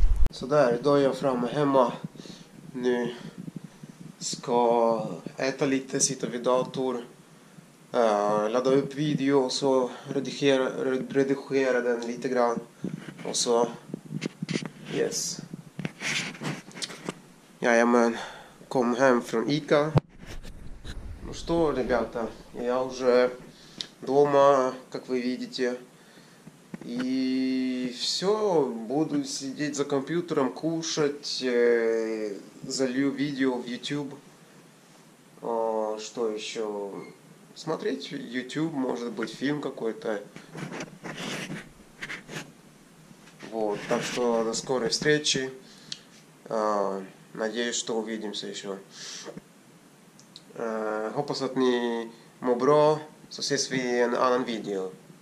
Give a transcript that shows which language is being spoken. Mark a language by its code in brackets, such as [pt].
[sv] Så där, då är jag framme hemma nu. Ska äta lite, sitta vid dator. Ladda upp video och så redigera den lite grann. Och så, yes. Jajamän, kom hem från ICA. [ru] Ну что, ребята, я уже дома, как вы видите. И все, буду сидеть за компьютером, кушать, залью видео в YouTube. Что еще? Смотреть YouTube, может быть, фильм какой-то. Вот, так что до скорой встречи. Надеюсь, что увидимся еще. [sv] Hoppas att ni mår bra, så ses vi i en annan video.